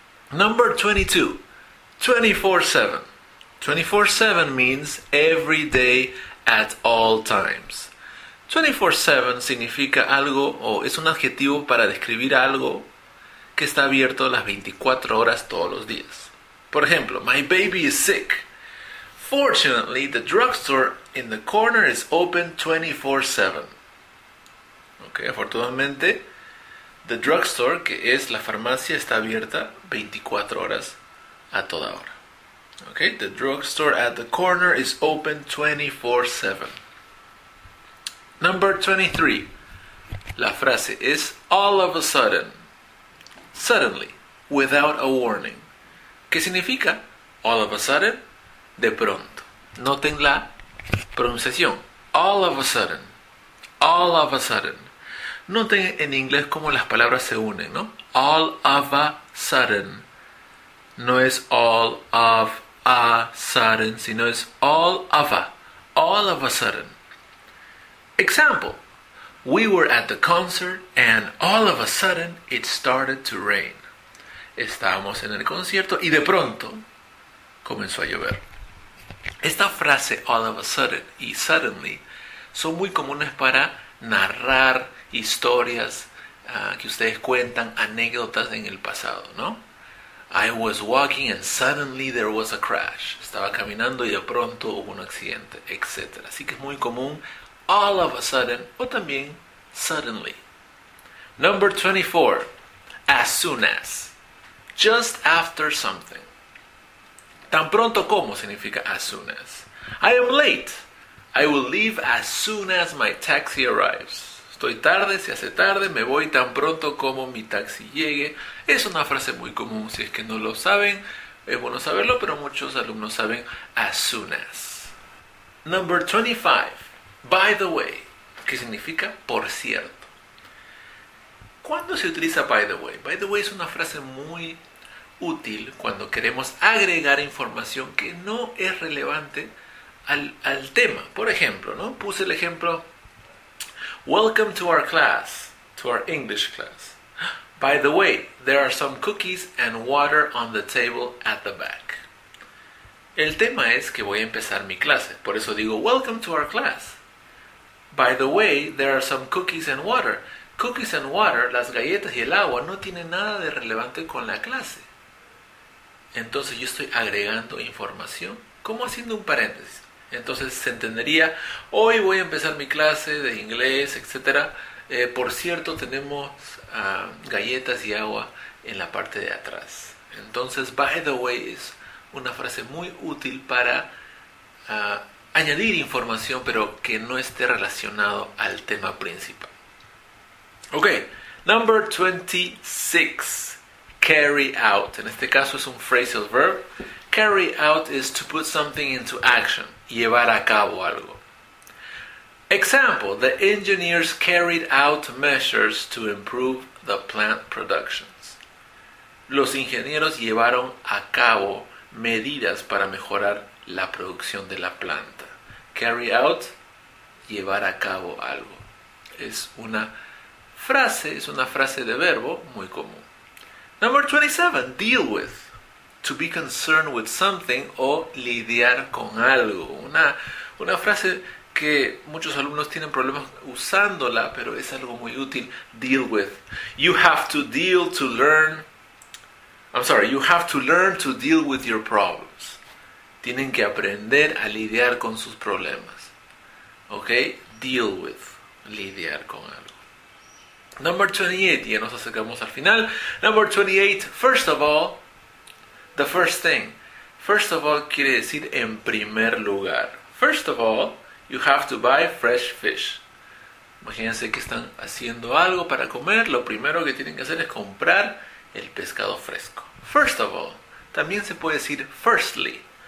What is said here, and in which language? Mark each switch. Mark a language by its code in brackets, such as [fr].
[en] Number 22, 24/7. 24/7 means every day at all times. 24/7 [es] significa algo o es un adjetivo para describir algo que está abierto las 24 horas todos los días. Por ejemplo, [en] my baby is sick. Fortunately, the drugstore in the corner is open 24/7. [es] Okay, afortunadamente, [en] the drugstore, [es] que es la farmacia, está abierta 24 horas a toda hora. [en] Okay, the drugstore at the corner is open 24/7. Number 23. [es] La frase es [en] all of a sudden. Suddenly, without a warning. [es] ¿Qué significa [en] all of a sudden? [es] De pronto. Noten la pronunciación. [en] All of a sudden. All of a sudden. [es] Noten en inglés cómo las palabras se unen, ¿no? [en] All of a sudden. [es] No es [en] all of a sudden, [es] sino es [en] all of a sudden. Example, we were at the concert and all of a sudden it started to rain. [es] Estábamos en el concierto y de pronto comenzó a llover. Esta frase [en] all of a sudden [es] y [en] suddenly [es] son muy comunes para narrar historias que ustedes cuentan, anécdotas en el pasado, ¿no? [en] I was walking and suddenly there was a crash. [es] Estaba caminando y de pronto hubo un accidente, etc. Así que es muy común [en] all of a sudden [es] o también [en] suddenly. Number 24. As soon as. Just after something. [es] Tan pronto como significa as [en] soon as. I am late. I will leave as soon as my taxi arrives. [es] Estoy tarde, se hace tarde, me voy tan pronto como mi taxi llegue. Es una frase muy común, si es que no lo saben, es bueno saberlo, pero muchos alumnos saben [en] as soon as. Number 25, by the way, [es] que significa por cierto. ¿Cuándo se utiliza [en] by the way? By the way [es] es una frase muy útil cuando queremos agregar información que no es relevante al tema. Por ejemplo, ¿no? Puse el ejemplo. [en] Welcome to our class, to our English class. By the way, there are some cookies and water on the table at the back. [es] El tema es que voy a empezar mi clase. Por eso digo, [en] welcome to our class. By the way, there are some cookies and water. Cookies and water, [es] las galletas y el agua, no tienen nada de relevante con la clase. Entonces yo estoy agregando información, como haciendo un paréntesis. Entonces se entendería, hoy voy a empezar mi clase de inglés, etcétera. Por cierto, tenemos galletas y agua en la parte de atrás. Entonces, [en] by the way, [es] es una frase muy útil para añadir información, pero que no esté relacionado al tema principal. [en] Ok, number 26, carry out. [es] En este caso es un phrasal verb. [en] Carry out is to put something into action, [es] llevar a cabo algo. [en] Example, the engineers carried out measures to improve the plant productions. [es] Los ingenieros llevaron a cabo medidas para mejorar la producción de la planta. [en] Carry out, [es] llevar a cabo algo. Es una frase de verbo muy común. [en] Number 27, deal with. To be concerned with something [es] o lidiar con algo. Una frase que muchos alumnos tienen problemas usándola, pero es algo muy útil. [en] Deal with. You have to deal to learn. I'm sorry, you have to learn to deal with your problems. [es] Tienen que aprender a lidiar con sus problemas. [en] Ok, deal with. [es] Lidiar con algo. [en] Number 28, [es] ya nos acercamos al final. [en] Number 28, first of all, the first thing. First of all [es] quiere decir en primer lugar. [en] First of all, you have to buy fresh fish. [es] Imagínense que están haciendo algo para comer. Lo primero que tienen que hacer es comprar el pescado fresco. [en] First of all, [es] también se puede decir [en] firstly.